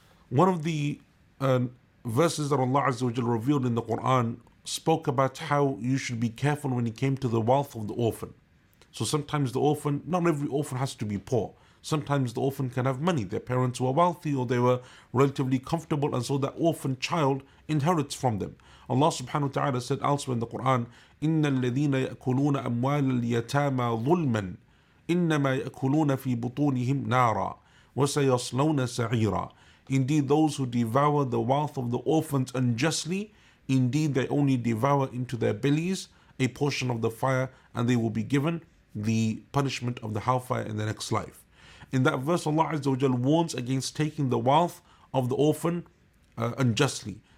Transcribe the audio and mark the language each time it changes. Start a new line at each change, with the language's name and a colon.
English: One of the verses that Allah Azza wa Jalla revealed in the Quran spoke about how you should be careful when it came to the wealth of the orphan. So sometimes the orphan, not every orphan has to be poor. Sometimes the orphan can have money. Their parents were wealthy or they were relatively comfortable, and so that orphan child inherits from them. Allah subhanahu wa ta'ala said elsewhere in the Quran,
Arabic: إِنَّ الَّذِينَ يَأْكُلُونَ أَمْوَالَ الْيَتَامَى ظُلْمًا إِنَّمَا يَأْكُلُونَ فِي بُطُونِهِمْ نَارًا وَسَيَصْلَوْنَ سَعِيرًا.
English: Indeed, those who devour the wealth of the orphans unjustly, indeed they only devour into their bellies a portion of the fire, and they will be given the punishment of the hellfire in the next life. In that verse, Allah Azza wa Jal warns against taking the wealth of the orphan unjustly.